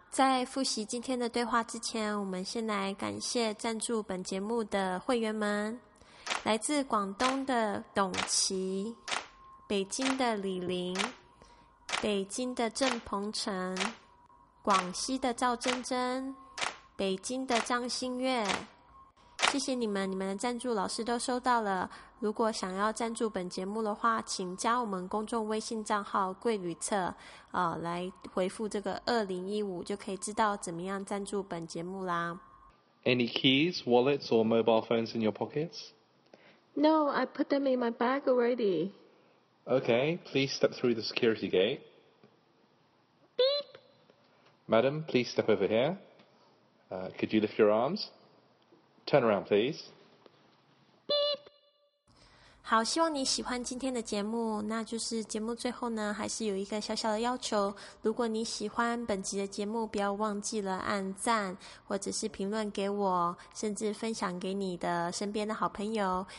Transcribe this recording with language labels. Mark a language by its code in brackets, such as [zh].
[zh] 在复习今天的对话之前，我们先来感谢赞助本节目的会员们，来自广东的董琦，北京的李玲，北京的郑鹏程，广西的赵真真，北京的张新月，谢谢你们，你们的赞助老师都收到了。如果想要赞助本节目的话，请加我们公众微信账号贵旅册、来回复这个2015，就可以知道怎么样赞助本节目啦。 [en] Any keys, wallets or mobile phones in your pockets? No, I put them in my bag already. Okay, please step through the security gate. Beep. Madam, please step over hereCould you lift your arms? Turn around, please. Beep. [zh] 好，希望你喜欢今天的节目。那就是节目最后呢，还是有一个小小的要求。如果你喜欢本集的节目，不要忘记了按赞，或者是评论给我，甚至分享给你的身边的好朋友。